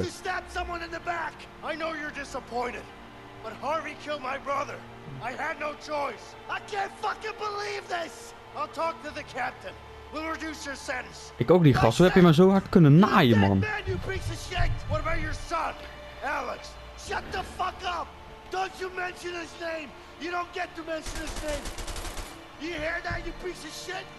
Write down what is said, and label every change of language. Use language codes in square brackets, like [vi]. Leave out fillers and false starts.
[en] To stab someone in the back. I know you're disappointed. But Harvey killed my brother. I had no choice. I can't fucking believe this. I'll talk to the captain. We'll reduce your sentence. [nl] Ik ook niet, gast. Hoe heb je me zo hard kunnen naaien, man? [en] Dead man, you piece of shit. What about your son, Alex? Shut the fuck up. Don't you mention his name. You don't get to mention his name. You hear that, you piece of shit?